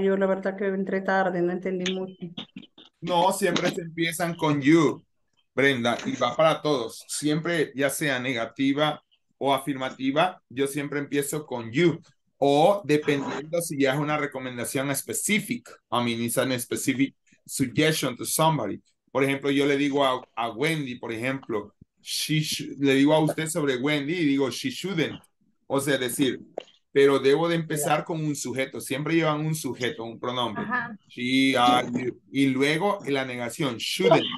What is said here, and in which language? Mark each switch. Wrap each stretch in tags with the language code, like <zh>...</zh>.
<es>Yo la verdad que entré tarde, no entendí mucho. No, siempre se empiezan con you, Brenda, y va para todos. Siempre, ya sea negativa o afirmativa, yo siempre empiezo con you. O dependiendo si ya es una recomendación específica.</es> <en>I mean, it's a specific suggestion to somebody.</en> <es>Por ejemplo, yo le digo a Wendy, por ejemplo, le digo a usted sobre Wendy y digo,</es> <en>she shouldn't.</en> <es>O sea, decir, pero debo de empezar con un sujeto. Siempre llevan un sujeto, un pronombre. Ajá. She, y luego la negación, shouldn't.</es>